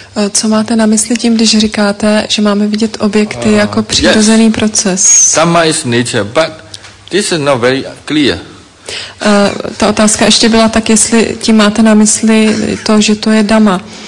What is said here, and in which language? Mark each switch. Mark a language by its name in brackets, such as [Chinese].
[Czech] Co máte na mysli tím, když říkáte, že máme vidět objekty jako přirozený proces? [English] Dhamma is nature, but this is not very clear. [Czech] Ta otázka ještě byla tak, jestli tím máte na mysli to, že to je dhamma.